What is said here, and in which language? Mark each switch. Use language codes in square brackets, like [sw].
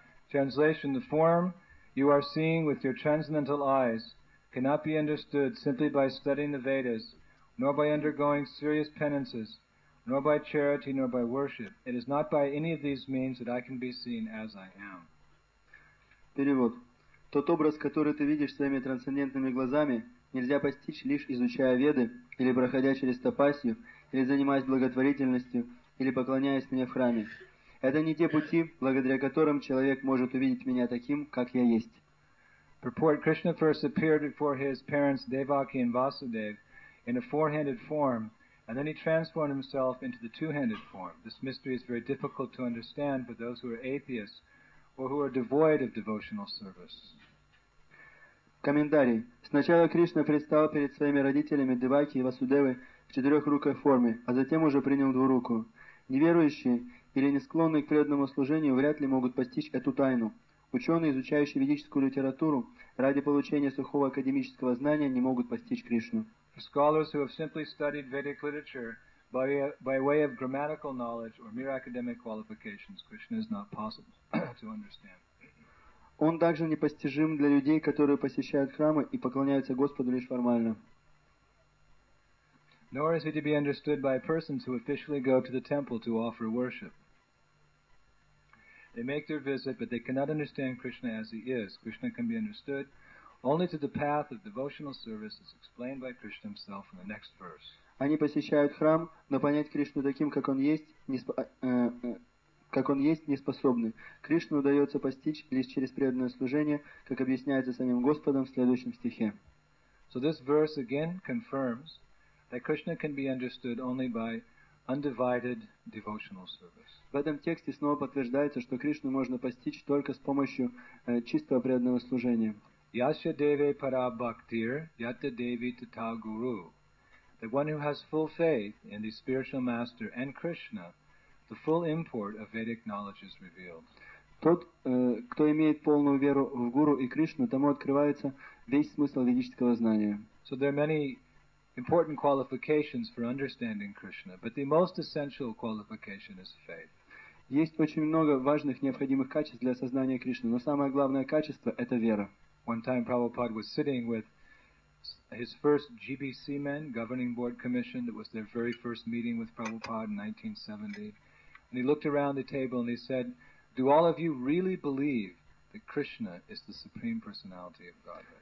[en] Translation, the form you are seeing with your transcendental eyes cannot be understood simply by studying the Vedas, nor by undergoing serious penances, nor by charity, nor by worship. It is not by any of these means that I can be seen as I am. [ru] Перевод. Тот образ, который ты видишь своими трансцендентными глазами, нельзя постичь, лишь изучая Веды, или проходя через тапасью, или занимаясь благотворительностью, или поклоняясь мне в храме. Это не те пути, благодаря которым человек может увидеть меня таким, как я есть. [en] Purport, Krishna first appeared before his parents Devaki and Vasudev in a four-handed form, and then he transformed himself into the two-handed form. This mystery is very difficult to understand for those who are atheists or who are devoid of devotional service. [ru] Комментарий. Сначала Кришна предстал перед своими родителями Деваки и Васудевы в четырехрукой форме, а затем уже принял двурукую. Неверующие или не склонные к преданному служению вряд ли могут постичь эту тайну. Ученые, изучающие ведическую литературу, ради получения сухого академического знания не могут постичь Кришну. [en] For scholars who have simply studied Vedic literature by way of grammatical knowledge or mere academic qualifications, Krishna is not possible to understand. [ru] Он также непостижим для людей, которые посещают храмы и поклоняются Господу лишь формально. [en] Nor is he to be understood by persons who officially go to the temple to offer worship. They make their visit, but they cannot understand Krishna as he is. Krishna can be understood only through the path of devotional service as explained by Krishna himself in the next verse. [ru] Они посещают храм, но понять Кришну таким, как он есть, не способны. Кришну удается постичь лишь через преданное служение, как объясняется самим Господом в следующем стихе. [en] So this verse again confirms that Krishna can be understood only by undivided devotional service. [ru] В этом тексте снова подтверждается, что Кришну можно постичь только с помощью чистого преданного служения. [sa] Yasya deve para bhaktir yata devi tata guru. [en] The one who has full faith in the spiritual master and Krishna, the full import of Vedic knowledge is revealed. [ru] Тот, кто имеет полную веру в гуру и Кришну, тому открывается весь смысл ведического знания. [en] So there are many important qualifications for understanding Krishna, but the most essential qualification is faith. [ru] Есть очень много важных необходимых качеств для осознания Кришны, но самое главное качество — это вера. [en] One time Prabhupada was sitting with his first GBC men, Governing Board Commission, that was their very first meeting with Prabhupada in 1970, and he looked around the table and he said, "Do all of you really believe that Krishna is the Supreme Personality of Godhead?"